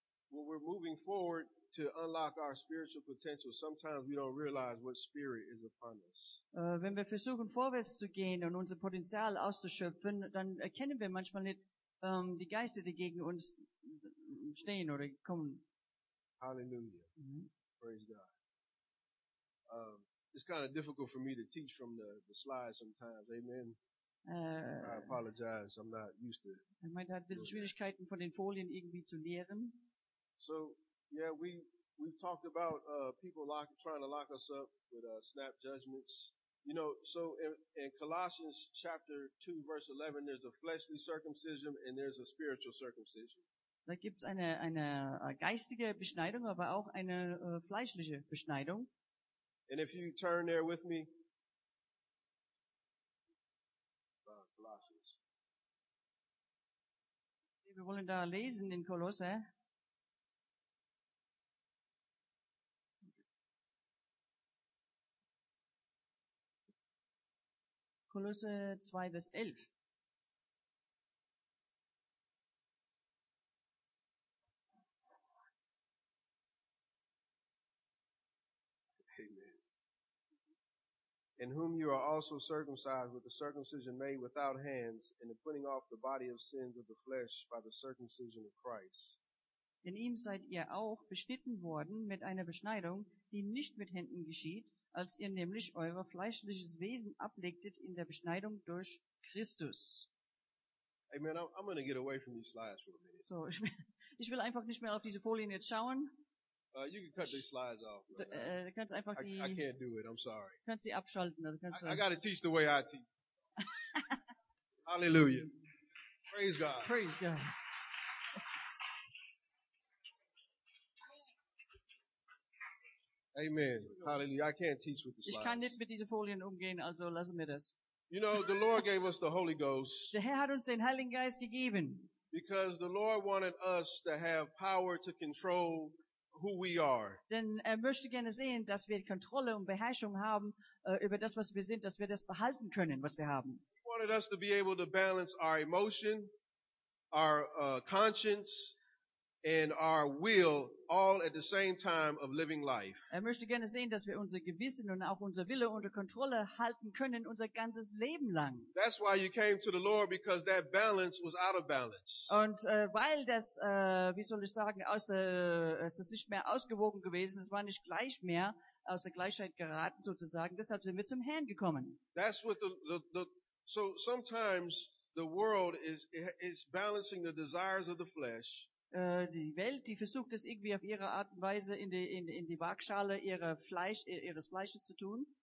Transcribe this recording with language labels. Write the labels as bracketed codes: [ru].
[en] When we're moving forward to unlock our spiritual potential, sometimes we don't realize what spirit is upon us. [de] Wenn wir versuchen vorwärts zu gehen und unser Potenzial auszuschöpfen, dann erkennen wir manchmal nicht die Geister, die gegen uns stehen oder kommen. [en] Hallelujah. Mm-hmm. Praise God. It's kind of difficult for me to teach from the slides sometimes. Amen. I apologize. I'm not used to it. [de] Man hat ein bisschen Schwierigkeiten, von den Folien irgendwie zu lehren. [en] So, yeah, we've talked about people trying to lock us up with snap judgments. You know, so in Colossians chapter 2, verse 11, there's a fleshly circumcision and there's a spiritual circumcision. [de] Da gibt's eine geistige Beschneidung, aber auch eine fleischliche Beschneidung. [en] And if you turn there with me, Colossians. [de] Wir wollen da lesen in Kolosse. Kolosse 2 bis 11. [en] Amen. in whom you are also circumcised with the circumcision made without hands, in the putting off the body of sins of the flesh by the circumcision of Christ. [de] In ihm seid ihr auch beschnitten worden mit einer Beschneidung, die nicht mit Händen geschieht, als ihr nämlich euer fleischliches Wesen ablegtet in der Beschneidung durch Christus. [en] Amen. I'm going to get away from these slides for a minute. [de] So, ich will einfach nicht mehr auf diese Folien jetzt schauen. [en] You can cut these slides off. [de] Kannst einfach die. [en] I can't do it. I'm sorry. [de] Kannst die abschalten oder kannst. [en] I got to teach the way I teach. Hallelujah. Praise God. Praise God. Amen. Hallelujah. I can't teach with the slides. [de] Ich kann nicht mit diesen Folien umgehen, also lassen wir das. [en] You know, the Lord gave us the Holy Ghost. [de] Der Herr hat uns den Heiligen Geist gegeben. [en] Because the Lord wanted us to have power to control who we are. [de] Denn er möchte gerne sehen, dass wir Kontrolle und Beherrschung haben über das, was wir sind, dass wir das behalten können, was wir haben. [en] He wanted us to be able to balance our emotion, our conscience, and our will all at the same time of living life. [de] Er möchte gerne sehen, dass wir unser Gewissen und auch unser Wille unter Kontrolle halten können unser ganzes Leben lang. [en] That's why you came to the Lord, because that balance was out of balance. [de] Und weil das wie soll ich sagen, aus der es ist nicht mehr ausgewogen gewesen, es war nicht gleich mehr aus der Gleichheit geraten sozusagen, deshalb sind wir zum Herrn gekommen. [en] That's what so sometimes the world is balancing the desires of the flesh. [de] Die Welt, die versucht es irgendwie auf ihre Art und Weise in die Waagschale ihres Fleisches zu tun.